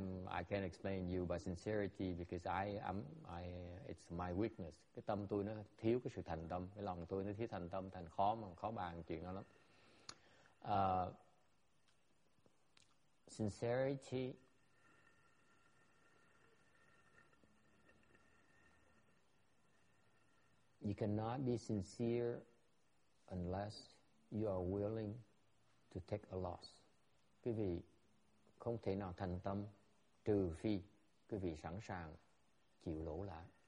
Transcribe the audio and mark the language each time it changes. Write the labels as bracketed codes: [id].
[en] I can't explain you about sincerity because I it's my weakness. [vi] Cái tâm tôi nó thiếu cái sự thành tâm, cái lòng tôi nó thiếu thành tâm, thành khó bàn chuyện đó lắm. [en] Sincerity you cannot be sincere unless you are willing to take a loss. [vi] Quý vị không thể nào thành tâm trừ phi quý vị sẵn sàng chịu lỗ lã.